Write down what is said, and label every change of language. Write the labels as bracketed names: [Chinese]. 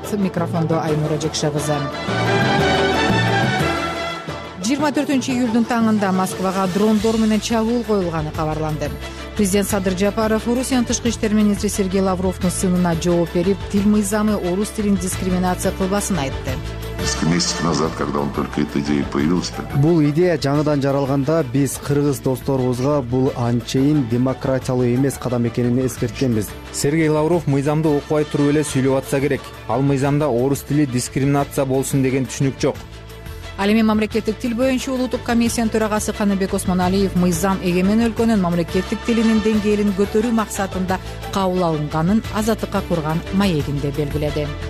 [Kyrgyz] Микрофондо Айнура Жекше кызы. 24 июлдун таңында Москвага дрондор менен чабуул коюлганы кабарланды. Президент Садыр Жапаров Орусиянын тышкы иштер министри Сергей Лавровдун сынына жооп берип, тил мыйзамы орус тилин дискриминация кылбасын айтты. [Russian] Месяц назад, когда он только эта идея появилась. [Kyrgyz] Бул идея жаңыдан жаралганда биз кыргыз досторубузга бул анчейин демократиялуу эмес кадам экенин эскерткенбиз. Сергей Лавров мыйзамды окубай туруп эле сүйлөп атса керек. Ал мыйзамда орус тили дискриминация болсун деген түшүнүк жок. Ал эми мамлекеттик тил боюнча улуттук комиссиянын төрагасы Каныбек Осмоналиев мыйзам эгемен өлкөнүн мамлекеттик тилинин деңгээлин көтөрүү максатында кабыл алынганын Азаттыкка курган маегинде белгиледи.